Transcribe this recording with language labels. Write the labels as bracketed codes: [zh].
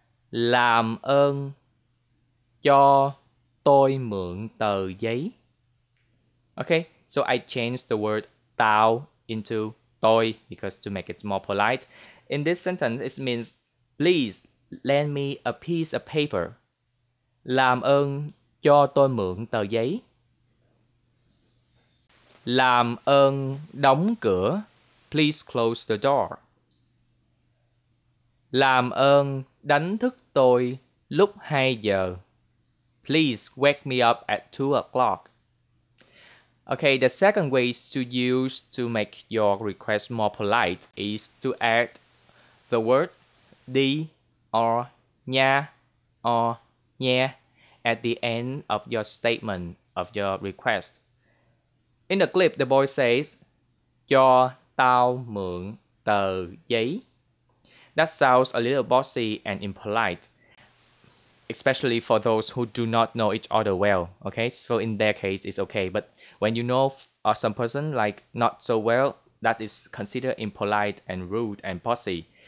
[vi] Làm ơn cho tôi mượn tờ giấy. [en] Okay, so I changed the word tao into tôi because to make it more polite. In this sentence, it means please lend me a piece of paper. [vi] Làm ơn cho tôi mượn tờ giấy. Làm ơn đóng cửa. [en] Please close the door. [vi] Làm ơn đánh thức tôi lúc 2 giờ. [en] Please wake me up at 2 o'clock. Okay, the second way to use to make your request more polite is to add the word đi or nha or nhé at the end of your statement of your request. In the clip, the boy says, [vi] cho tao mượn tờ giấy. [en] That sounds a little bossy and impolite, especially for those who do not know each other well, okay? So in their case, it's okay. But when you know some person, like, not so well, that is considered impolite and rude and bossy.